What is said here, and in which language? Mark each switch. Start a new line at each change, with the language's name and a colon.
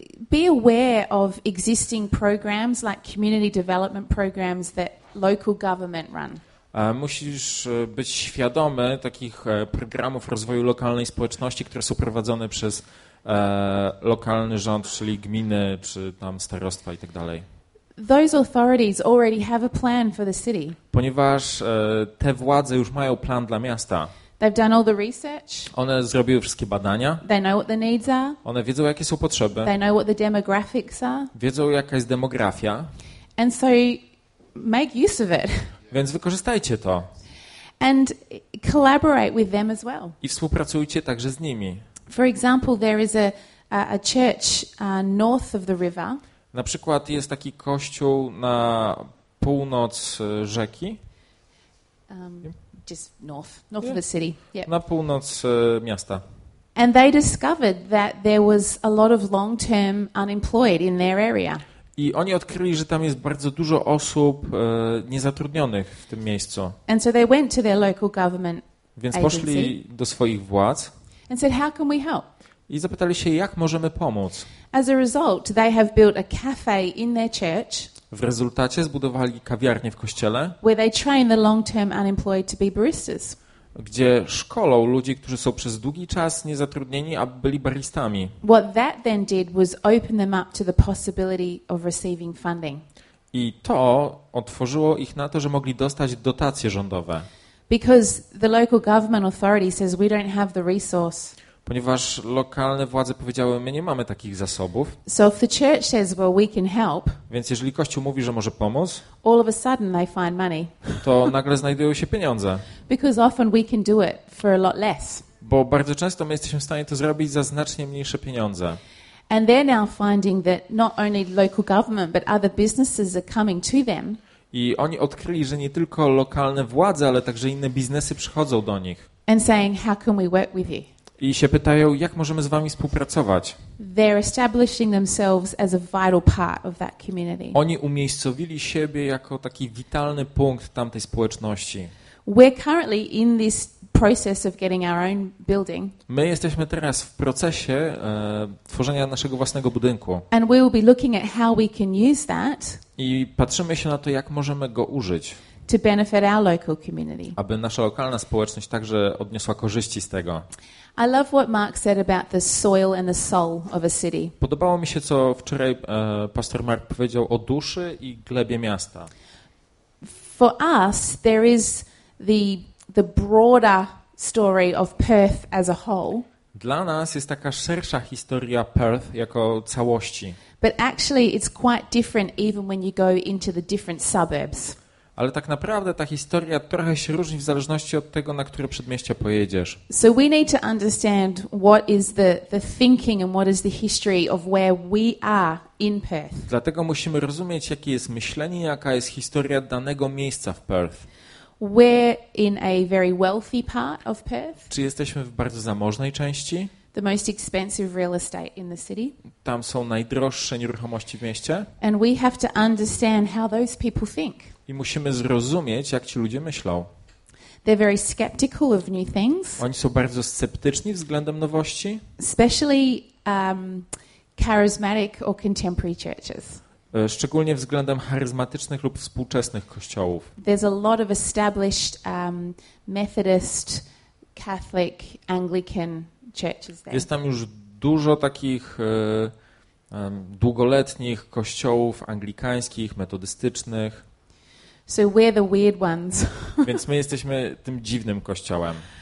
English: Be aware of existing programs like community development programs that local government run.
Polish: Musisz być świadomy takich programów rozwoju lokalnej społeczności, które są prowadzone przez lokalny rząd, czyli gminy, czy tam starostwa i tak dalej.
English: Those authorities already have a plan for the city.
Polish: Ponieważ te władze już mają plan dla miasta.
English: They've done all the research.
Polish: One zrobiły wszystkie badania.
English: They know what the needs are.
Polish: One wiedzą, jakie są potrzeby.
English: They know what the demographics are.
Polish: Wiedzą, jaka jest demografia.
English: And so make use of it.
Polish: Więc wykorzystajcie to.
English: And collaborate with them as well.
Polish: I współpracujcie także z nimi.
English: For example, there is a church north of the river.
Polish: Na przykład jest taki kościół na północ rzeki.
English: Just north of the city. Yep.
Polish: Na północ miasta.
English: And they discovered that there was a lot of long-term unemployed in their area.
Polish: I oni odkryli, że tam jest bardzo dużo osób niezatrudnionych w tym miejscu.
English: And so they went to their local government.
Polish: Więc poszli do swoich władz.
English: And said, how can we help?
Polish: I zapytali się, jak możemy pomóc.
English: As a result, they have built a cafe in their church.
Polish: W rezultacie zbudowali kawiarnię w kościele,
English: where they train the long-term unemployed to be baristas.
Polish: Gdzie szkolą ludzi, którzy są przez długi czas niezatrudnieni, aby byli baristami.
English: What that then did was open them up to the possibility of receiving funding.
Polish: I to otworzyło ich na to, że mogli dostać dotacje rządowe.
English: Because the local government authority says we don't have the resource.
Polish: Ponieważ lokalne władze powiedziały, my nie mamy takich zasobów.
English: So if the church says, well, we can help.
Polish: Więc jeżeli kościół mówi, że może pomóc,
English: all of a sudden they find money.
Polish: To nagle znajdują się pieniądze.
English: Because often we can do it for a lot less.
Polish: Bo bardzo często my jesteśmy w stanie to zrobić za znacznie mniejsze pieniądze.
English: And they're now finding that not only local government, but other businesses are coming to them.
Polish: I oni odkryli, że nie tylko lokalne władze, ale także inne biznesy przychodzą do nich.
English: And saying, how can we work with you?
Polish: I się pytają, jak możemy z wami współpracować.
English: They're establishing themselves as a vital part of that community.
Polish: Oni umiejscowili siebie jako taki witalny punkt tamtej społeczności.
English: We're currently in this process of getting our own building.
Polish: My jesteśmy teraz w procesie tworzenia naszego własnego budynku.
English: And we will be looking at how we can use that.
Polish: I patrzymy się na to, jak możemy go użyć.
English: To benefit our local community.
Polish: Aby nasza lokalna społeczność także odniosła korzyści z tego.
English: I love what Mark said about the soil and the soul of a city.
Polish: Podobało mi się, co wczoraj pastor Mark powiedział o duszy i glebie miasta.
English: For us, there is the broader story of Perth as a whole.
Polish: Dla nas jest taka szersza historia Perth jako całości.
English: But actually it's quite different even when you go into the different suburbs.
Polish: Ale tak naprawdę ta historia trochę się różni w zależności od tego, na które przedmieścia pojedziesz.
English: So we need to understand what is the thinking and what is the history of where we are in Perth.
Polish: Dlatego musimy rozumieć, jakie jest myślenie, jaka jest historia danego miejsca w Perth.
English: We're in a very wealthy part of Perth.
Polish: Czy jesteśmy w bardzo zamożnej części?
English: The most expensive real estate in the city.
Polish: Tam są najdroższe nieruchomości w mieście.
English: And we have to understand how those people think.
Polish: I musimy zrozumieć, jak ci ludzie myślą.
English: They're very skeptical of new things.
Polish: Oni są bardzo sceptyczni względem nowości.
English: Especially charismatic or contemporary churches.
Polish: Szczególnie względem charyzmatycznych lub współczesnych kościołów.
English: There's a lot of established Methodist, Catholic, Anglican churches there.
Polish: Jest tam już dużo takich długoletnich kościołów anglikańskich, metodystycznych.
English: So we're the weird ones.
Polish: Więc my jesteśmy tym dziwnym kościołem.